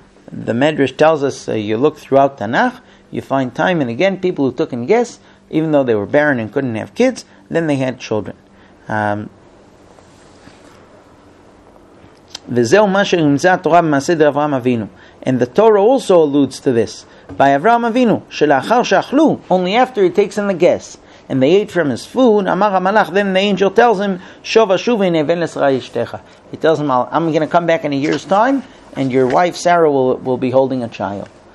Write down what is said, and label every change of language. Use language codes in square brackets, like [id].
[en] The Medrash tells us, you look throughout Tanakh, you find time and again people who took in guests, even though they were barren and couldn't have kids, then they had children. [he] וזהו מה שרמזה התורה במעשה דה אברהם אבינו. [en] And the Torah also alludes to this. By אברהם אבינו, [he] שלאחר שאכלו, [en] only after he takes in the guests, and they ate from his food, [he] אמר המלאך, [en] then the angel tells him, [he] שוב אשוב הנה בן לשרה אשתך. [en] He tells him, I'm going to come back in a year's time, and your wife Sarah will be holding a child.